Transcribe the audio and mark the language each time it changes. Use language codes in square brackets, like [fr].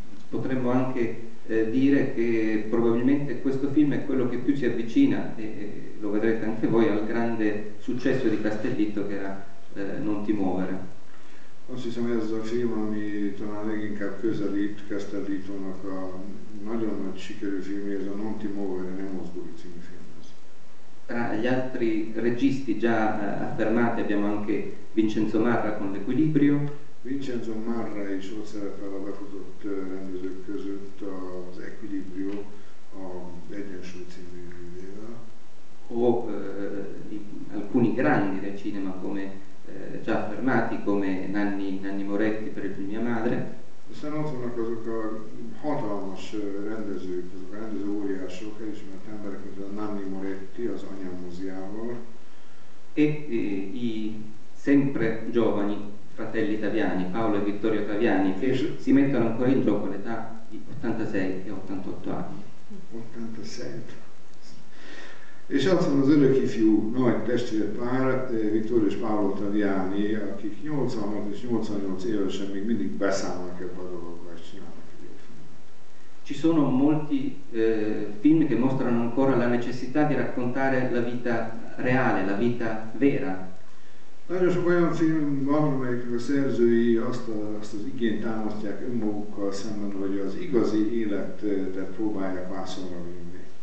[it] Potremmo anche dire che probabilmente questo film è quello che più si avvicina, e lo vedrete anche voi, al grande successo di Castellitto, che era Non ti muovere. [hu] Azt hiszem, ez az a film, ami talán leginkább közelít Castellitónak a nagyon nagy sikerű filmje, ez a Non ti muovere, ne mozdulj című filmhez. [it] Tra gli altri registi già affermati abbiamo anche Vincenzo Marra con L'Equilibrio. [hu] Vincenzo Marra is ott szerepel a befutott rendezők között az Equilibrio, az Egyensúly című művével. [it] O alcuni grandi del cinema come già affermati come Nanni Moretti per il film Mia Madre. [hu] Aztán ott vannak azok a hatalmas rendezők, azok a rendező óriások, elismert emberek, mint a Nanni Moretti az Anyám moziával. [it] E i sempre giovani fratelli Taviani, Paolo e Vittorio Taviani, che si mettono ancora in gioco all'età di 86 e 88 anni. 87. [hu] És ott van az öröki fiú nagy testvérpár, Viktor és Paolo Taviani, akik 86 és 88 évesen még mindig beszállnak ebbe a dologba, és csinálnak egy filmet. [it] Ci sono molti film che mostrano ancora la necessità di raccontare la vita reale, la vita vera. [hu] Nagyon sok olyan film van, amelyikről a szerzői azt az igényt támasztják önmagukkal szemben, hogy az igazi életet próbálják vászonra vinni.